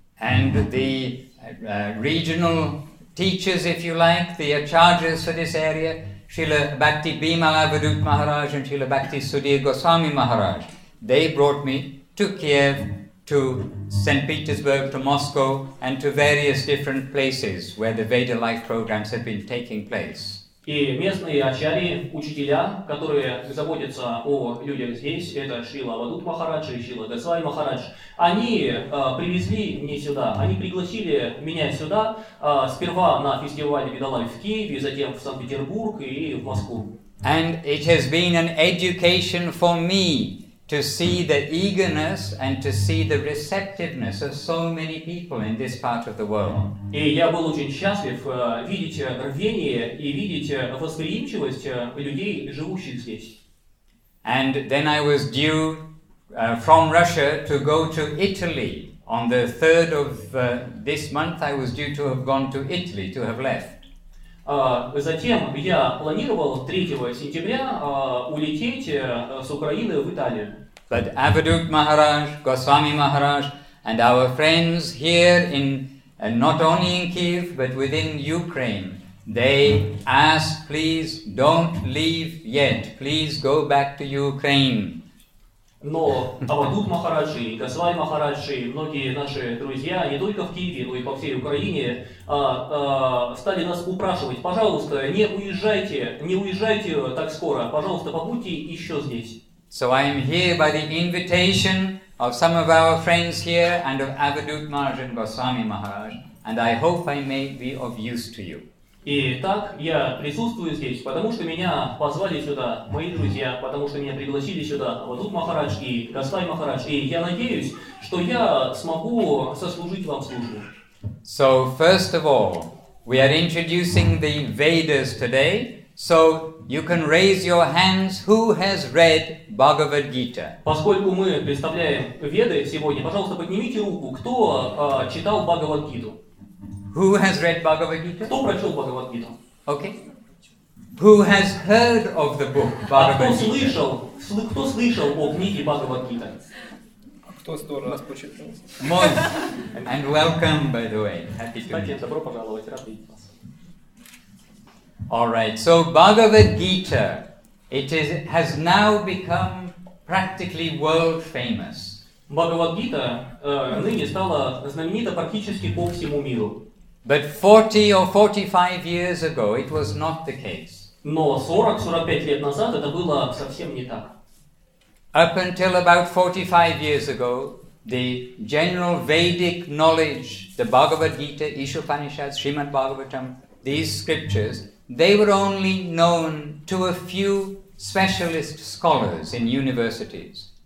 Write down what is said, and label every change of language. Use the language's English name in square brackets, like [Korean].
[English] And the regional teachers, if you like, the acharyas for this area, Srila Bhakti Bimala Vidut Maharaj and Srila Bhakti Sudhir Goswami Maharaj, they brought me to Kiev, to St. Petersburg, to Moscow, and to various different places where the Veda Life programs have been taking place. [Russian] И местные ачарьи, учителя, которые заботятся о людях здесь, это Шрила Вадут Махарадж и Шрила Госвами Махарадж, они привезли мне сюда, они пригласили меня сюда, сперва на фестивале Veda Life в Киеве, затем в Санкт-Петербург и в Москву. [English] And it has been an education for me to see the eagerness and to see the receptiveness of so many people in this part of the world. [Russian] И я был очень счастлив видеть рвение и видеть восприимчивость людей, живущих здесь. [English] And then I was due from Russia to go to Italy. On the 3rd of this month, I was due to have gone to Italy, to have left. [Russian] Затем я планировал 3 сентября улететь с Украины в Италию. [English] But Avadhut Maharaj, Goswami Maharaj, and our friends here in not only in Kiev but within Ukraine, they ask, please don't leave yet. Please go back to Ukraine. [Russian] Но Авадут Махарадж и Госвами Махарадж и многие наши друзья не только в Киеве, но и по всей Украине стали нас упрашивать, пожалуйста, не уезжайте, не уезжайте так скоро, пожалуйста, побудьте еще здесь. [English] So I am here by the invitation of some of our friends here and of Avadhut Maharaj and Goswami Maharaj, and I hope I may be of use to you. [Russian] И так я присутствую здесь, потому что меня позвали сюда мои друзья, потому что меня пригласили сюда Вадут Махарадж и Гасай Махарадж, и я надеюсь, что я смогу сослужить вам службу. [English] So first of all, we are introducing the Vedas today, so you can raise your hands. Who has read Bhagavad Gita? [Russian] Поскольку мы представляем Веды сегодня, пожалуйста, поднимите руку, кто читал Бхагавад Гиту. [English] Who has read Bhagavad Gita? [Russian] Кто прочел Бхагавад Гиту? [English] Okay. Who has heard of the book Bhagavad Gita? [Russian] А кто слышал о книге Бхагавад Гита? А кто 100 раз прочитал? [English] Мой. And welcome, by the way. Happy to meet you. [Russian] Добро пожаловать, рад видеть вас. [English] All right. So Bhagavad Gita, has now become practically world famous. [Russian] Бхагавад Гита ныне стала знаменита практически по всему миру. [English] But 40 or 45 years ago, it was not the case. [Russian] Но 40-45 лет назад это было совсем не так. [English] Up until about 45 years ago, the general Vedic knowledge, the Bhagavad Gita, Ishopanishads, Srimad Bhagavatam, these scriptures, they were only known to a few specialist scholars in universities.